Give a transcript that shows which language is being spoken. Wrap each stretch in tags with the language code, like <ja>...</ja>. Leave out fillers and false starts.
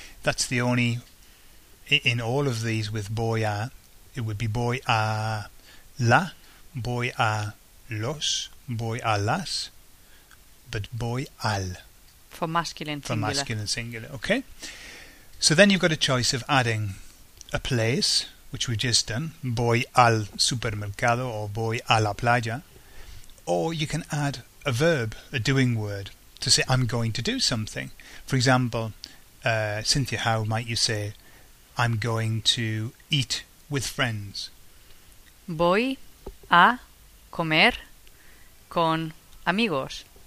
<en>That's the only, in all of these with</en> <es>voy a,</es> <en>it would be</en> <es>voy a la, voy a los, voy a las.</es> <en>But boy, al. For masculine singular. For masculine singular, okay. So then you've got a choice of adding a place, which we've just done.</en> <es>Voy al supermercado or voy a la playa.</es> <en>Or you can add a verb, a doing word, to say I'm going to do something. For example, Cynthia, how might you say I'm going to eat with friends?</en> <es>Voy a comer con amigos.</es>